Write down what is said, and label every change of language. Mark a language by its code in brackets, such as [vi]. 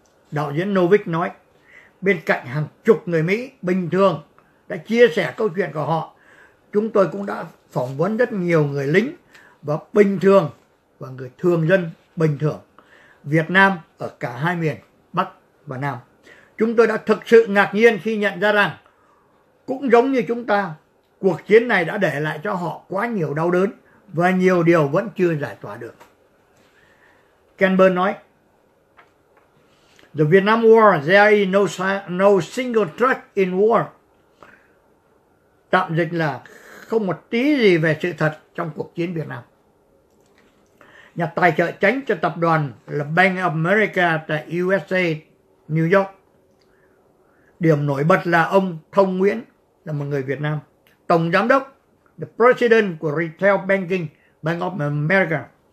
[vi] Đạo diễn Novick nói, bên cạnh hàng chục người Mỹ bình thường đã chia sẻ câu chuyện của họ, chúng tôi cũng đã phỏng vấn rất nhiều người lính và bình thường và người thường dân bình thường Việt Nam ở cả hai miền Bắc và Nam. Chúng tôi đã thực sự ngạc nhiên khi nhận ra rằng cũng giống như chúng ta, cuộc chiến này đã để lại cho họ quá nhiều đau đớn và nhiều điều vẫn chưa giải tỏa được. [en] Ken Burns nói, The Vietnam War, there is no single truth in war. [vi] Tạm dịch là không một tí gì về sự thật trong cuộc chiến Việt Nam. Nhà tài trợ chính cho tập đoàn là Bank of America tại USA, New York. Điểm nổi bật là ông Thông Nguyễn là một người Việt Nam, tổng giám đốc, [en] the president [vi] của Retail Banking, Bank of America.